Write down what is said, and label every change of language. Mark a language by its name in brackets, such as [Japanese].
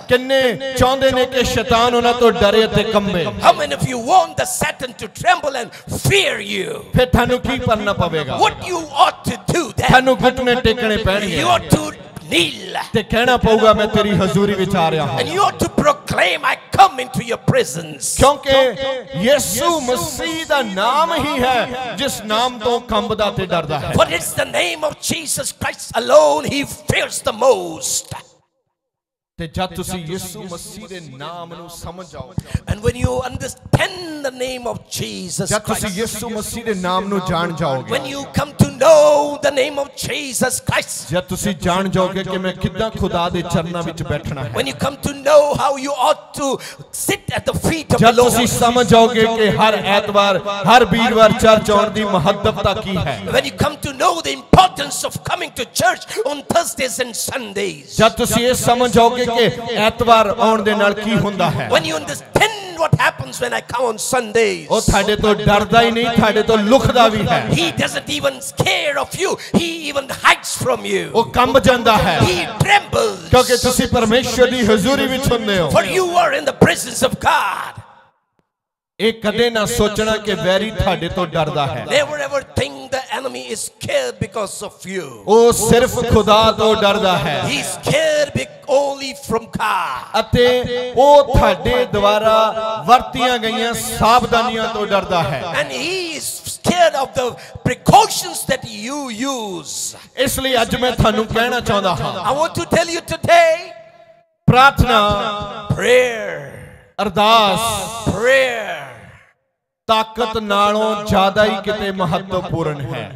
[Punjabi] ਕਿੰਨੇ ਚਾਹੁੰਦੇ ਨੇ ਕਿ ਸ਼ੈਤਾਨ ਉਹਨਾਂ ਤੋਂ ਡਰੇ ਤੇ ਕੰਬੇ? [English] How many of you want the Satan to tremble and fear you? [Punjabi] ਫਿਰ ਤੁਹਾਨੂੰ ਕੀ ਕਰਨਾ ਪਵੇਗਾ? [English] What you ought to do that. [Punjabi] ਤੁਹਾਨੂੰ ਘੁਟਨੇ ਟੇਕਣੇ ਪੈਣਗੇ. [English] You ought to kneel. [Punjabi] ਤੇ ਕਹਿਣਾ ਪਊਗਾ ਮੈਂ ਤੇਰੀ ਹਜ਼ੂਰੀ ਵਿੱਚ ਆ ਰਿਹਾ ਹਾਂ. [English] And you ought to proclaim, I come into your presence. [Punjabi] ਕਿਉਂਕਿ ਯਿਸੂ ਮਸੀਹ ਦਾ ਨਾਮ ਹੀ ਹੈ ਜਿਸ ਨਾਮ ਤੋਂ ਕੰਬਦਾ ਤੇ ਡਰਦਾ ਹੈ. [English] But it's the name of Jesus Christ alone he fears the most. [Punjabi] ਤੇ ਜਦ ਤੁਸੀਂ ਯਿਸੂ ਮਸੀਹ ਦੇ ਨਾਮ ਨੂੰ ਸਮਝ ਜਾਓ, [English] and when you understand the name of Jesus Christ, [Punjabi] ਜਦ ਤੁਸੀਂ ਯਿਸੂ ਮਸੀਹ ਦੇ ਨਾਮ ਨੂੰ ਜਾਣ ਜਾਓਗੇ, [English] when you come to know the name of Jesus Christ, [Punjabi] ਜਦ ਤੁਸੀਂ ਜਾਣ ਜਾਓਗੇ ਕਿ ਮੈਂ ਕਿੱਦਾਂ ਖੁਦਾ ਦੇ ਚਰਨਾਂ ਵਿੱਚ ਬੈਠਣਾ ਹੈ, [English] when you come to know how you ought to sit at the feet of the Lord, [Punjabi] ਜਦ ਤੁਸੀਂ ਸਮਝ ਜਾਓਗੇ ਕਿ ਹਰ ਐਤਵਾਰ ਹਰ ਵੀਰਵਾਰ ਚਰਚ ਆਉਣ ਦੀ ਮਹੱਤਵਤਾ ਕੀ ਹੈ, [English] when you come to know the importance of coming to church on Thursdays and Sundays, [Punjabi] ਜਦ ਤੁਸੀਂ ਇਹ ਸਮਝ ਜਾਓਗੇ ਐਤਵਾਰ ਆਉਣ ਦੇ ਨਾਲ ਕੀ ਹੁੰਦਾ ਹੈ, [English] when you understand what happens when I come on Sundays, [Punjabi] ਉਹ ਤੁਹਾਡੇ ਤੋਂ ਡਰਦਾ ਹੀ ਨਹੀਂ, ਤੁਹਾਡੇ ਤੋਂ ਲੁਕਦਾ ਵੀ ਹੈ, [English] he doesn't even scare of you, he even hides from you, [Punjabi] ਉਹ ਕੰਬ ਜਾਂਦਾ ਹੈ, [English] he trembles, [Punjabi] ਕਿਉਂਕਿ ਤੁਸੀਂ ਪਰਮੇਸ਼ਵਰ ਦੀ ਹਜ਼ੂਰੀ ਵਿੱਚ ਹੁੰਦੇ ਹੋ, [English] for you are in the presence of God. [Punjabi] ਇਹ ਕਦੇ ਨਾ ਸੋਚਣਾ ਕਿ ਵੈਰੀ ਤੁਹਾਡੇ ਤੋਂ ਡਰਦਾ ਹੈ. [English] Never ever think the enemy is scared because of you. [Punjabi] ਉਹ ਸਿਰਫ ਖੁਦਾ ਤੋਂ ਡਰਦਾ ਹੈ. [English] He is scared only from God. [Punjabi] ਅਤੇ ਉਹ ਤੁਹਾਡੇ ਦੁਆਰਾ ਵਰਤੀਆਂ ਗਈਆਂ ਸਾਵਧਾਨੀਆਂ ਤੋਂ ਡਰਦਾ ਹੈ. [English] And he is scared of the precautions that you use. [Punjabi] ਇਸ ਲਈ ਅੱਜ ਮੈਂ ਤੁਹਾਨੂੰ ਕਹਿਣਾ ਚਾਹੁੰਦਾ ਹਾਂ, [English] I want to tell you today. [Punjabi] ਪ੍ਰਾਰਥਨਾ, [English] prayer, [Punjabi] ਅਰਦਾਸ, [English] prayer, [Punjabi] ਤਾਕਤ ਨਾਲੋਂ ਜ਼ਿਆਦਾ ਹੀ ਕਿਤੇ ਮਹੱਤਵਪੂਰਨ ਹੈ.